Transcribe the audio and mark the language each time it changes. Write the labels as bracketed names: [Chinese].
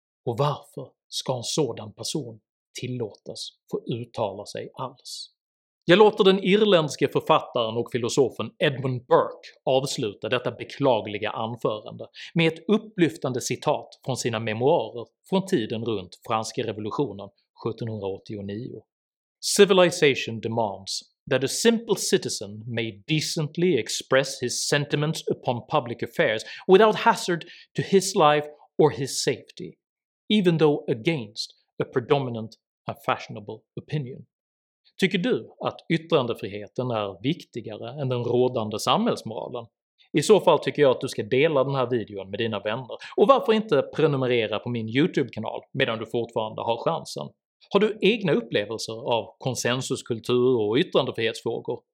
[Swedish] Och varför ska en sådan person tillåtas få uttala sig alls? Jag låter den irländske författaren och filosofen Edmund Burke avsluta detta beklagliga anförande med ett upplyftande citat från sina memoarer från tiden runt franska revolutionen 1789. [English] "Civilization demands that a simple citizen may decently express his sentiments upon public affairs without hazard to his life or his safety, even though against a predominant and fashionable opinion." [Swedish] Tycker du att yttrandefriheten är viktigare än den rådande samhällsmoralen? I så fall tycker jag att du ska dela den här videon med dina vänner, och varför inte prenumerera på min YouTube-kanal medan du fortfarande har chansen? Har du egna upplevelser av konsensuskultur och yttrandefrihetsfrågor?